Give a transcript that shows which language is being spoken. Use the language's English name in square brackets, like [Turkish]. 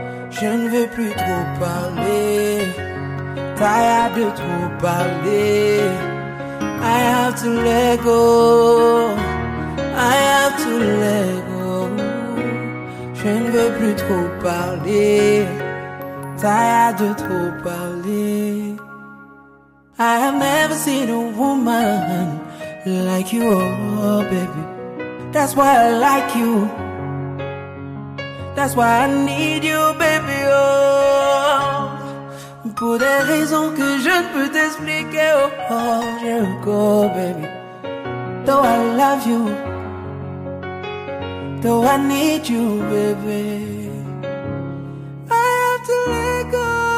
[French] Je ne veux plus trop parler. [English] Tired [French] de trop parler. [English] I have to let go. I have to let go. [French] Je ne veux plus trop parler. [English] Tired [French] de trop parler. [English] I have never seen a woman like you, oh baby. That's why I like you. That's why I need you, baby, oh. [French] Pour des raisons que je ne peux t'expliquer, oh, oh je [English] go, baby. Though I love you, though I need you, baby, I have to let go.